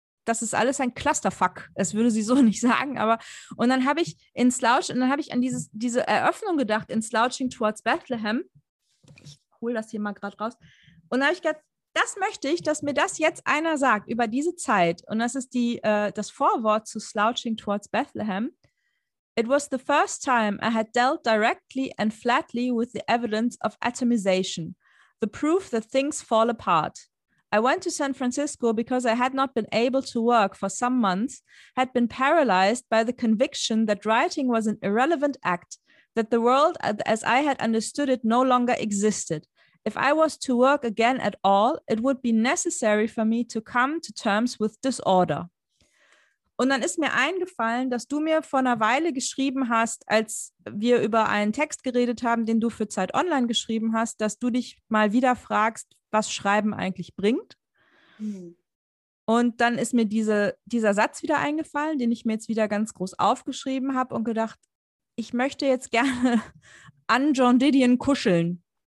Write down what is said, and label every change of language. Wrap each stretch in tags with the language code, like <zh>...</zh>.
<de>das ist alles ein Clusterfuck. Das würde sie so nicht sagen, aber und dann habe ich an diese Eröffnung gedacht, in Slouching Towards Bethlehem. Ich hole das hier mal gerade raus. Und dann habe ich gedacht, das möchte ich, dass mir das jetzt einer sagt über diese Zeit. Und das ist das Vorwort zu Slouching Towards Bethlehem.</de> <en>It was the first time I had dealt directly and flatly with the evidence of atomization, the proof that things fall apart. I went to San Francisco because I had not been able to work for some months, had been paralyzed by the conviction that writing was an irrelevant act, that the world as I had understood it no longer existed. If I was to work again at all, it would be necessary for me to come to terms with disorder.</en> <de>Und dann ist mir eingefallen, dass du mir vor einer Weile geschrieben hast, als wir über einen Text geredet haben, den du für Zeit Online geschrieben hast, dass du dich mal wieder fragst, was Schreiben eigentlich bringt. Und dann ist mir dieser Satz wieder eingefallen, den ich mir jetzt wieder ganz groß aufgeschrieben habe und gedacht, ich möchte jetzt gerne an John Didion kuscheln.</de>